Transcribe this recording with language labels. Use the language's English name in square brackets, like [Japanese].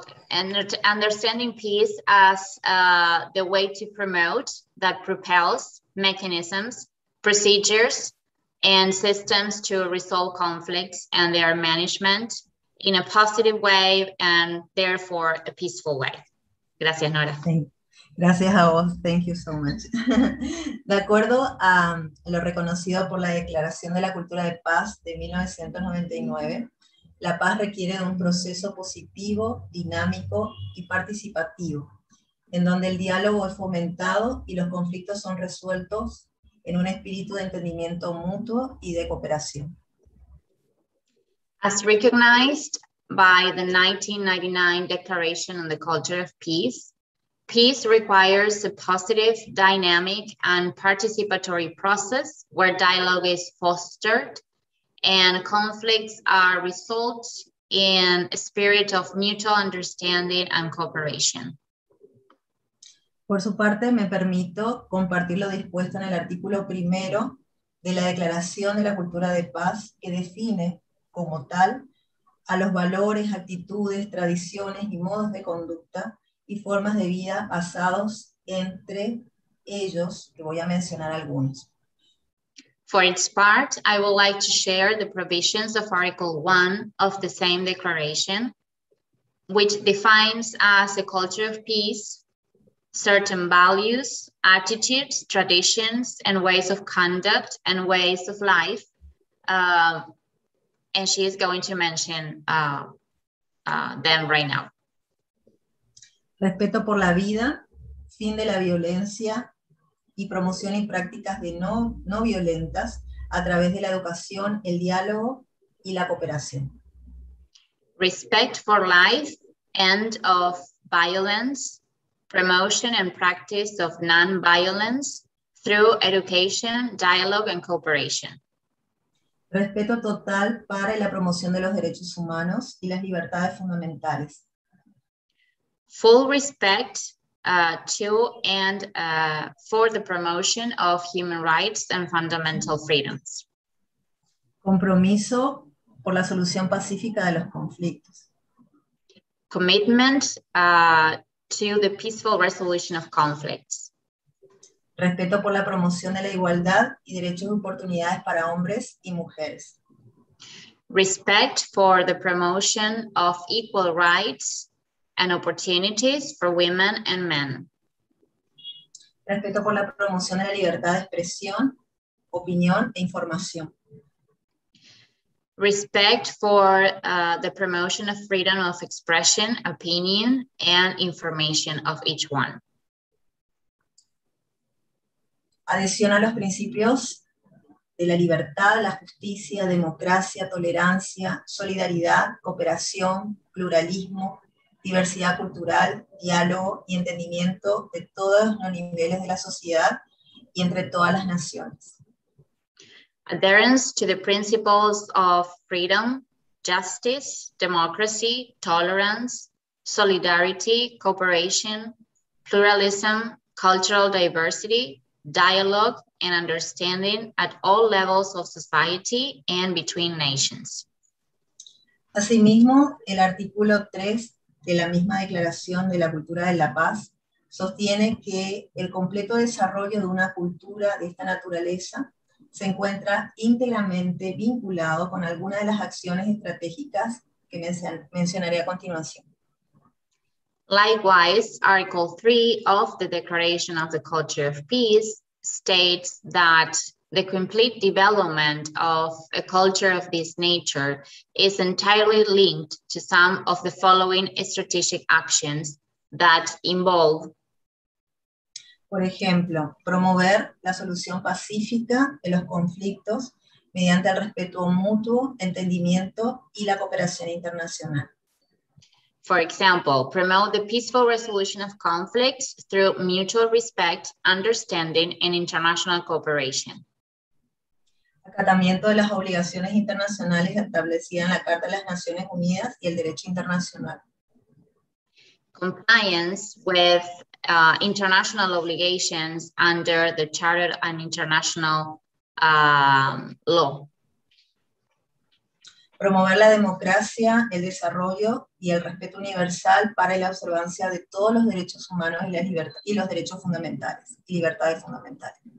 [English] And understanding peace as the way to promote that propels mechanisms, procedures, and systems to resolve conflicts and their management in a positive way and therefore a peaceful way. [Spanish] Gracias, Nora. Gracias a vos. Thank you so much. De acuerdo a lo reconocido por la Declaración de la Cultura de Paz de 1999, la paz requiere de un proceso positivo, dinámico y participativo, en donde el diálogo es fomentado y los conflictos son resueltos en un espíritu de entendimiento mutuo y de cooperación. [English] As recognized by the 1999 Declaration on the Culture of Peace, peace requires a positive, dynamic, and participatory process where dialogue is fostered and conflicts are resolved in a spirit of mutual understanding and cooperation. [Spanish] Por su parte, me permito compartir lo dispuesto en el artículo primero de la Declaración de la Cultura de Paz, que define como tal a los valores, actitudes, tradiciones y modos de conducta y formas de vida basados entre ellos, que voy a mencionar algunos. [English] For its part, I would like to share the provisions of Article 1 of the same declaration, which defines as a culture of peace certain values, attitudes, traditions, and ways of conduct and ways of life. And she is going to mention them right now. [Spanish] Respeto por la vida, fin de la violencia y promoción y prácticas de no violentas a través de la educación, el diálogo y la cooperación. [English] Respect for life, end of violence, promotion and practice of non-violence through education, dialogue and cooperation. [Spanish] Respeto total para la promoción de los derechos humanos y las libertades fundamentales. [English] Full respect for the promotion of human rights and fundamental freedoms. [Spanish] Compromiso por la solución pacífica de los conflictos. [English] Commitment to the peaceful resolution of conflicts. [Spanish] Respeto por la promoción de la igualdad y derechos y oportunidades para hombres y mujeres. [English] Respect for the promotion of equal rights and opportunities for women and men. [Spanish] Respeto por la promoción de la libertad de expresión, opinión e información. [English] Respect for the promotion of freedom of expression, opinion, and information of each one. [Spanish] Adhesión a los principios de la libertad, la justicia, democracia, tolerancia, solidaridad, cooperación, pluralismo, diversidad cultural, diálogo y entendimiento de todos los niveles de la sociedad y entre todas las naciones. [English] Adherence to the principles of freedom, justice, democracy, tolerance, solidarity, cooperation, pluralism, cultural diversity, dialogue, and understanding at all levels of society and between nations. [Spanish] Asimismo, el artículo 3 de la misma Declaración de la Cultura de la Paz sostiene que el completo desarrollo de una cultura de esta naturaleza se encuentra íntegramente vinculado con alguna de las acciones estratégicas que mencionaré a continuación. [English] Likewise, Article 3 of the Declaration of the Culture of Peace states that the complete development of a culture of this nature is entirely linked to some of the following strategic actions that involve. [Spanish] Por ejemplo, promover la solución pacífica de los conflictos mediante el respeto mutuo, entendimiento y la cooperación internacional. [English] For example, promote the peaceful resolution of conflicts through mutual respect, understanding, and international cooperation. [Spanish] Acatamiento de las obligaciones internacionales establecidas en la Carta de las Naciones Unidas y el Derecho Internacional. [English] Compliance with international obligations under the Charter and international law. [Spanish] promover la democracia, el desarrollo y el respeto universal para la observancia de todos los derechos humanos y las libertades y los derechos fundamentales y libertades fundamentales.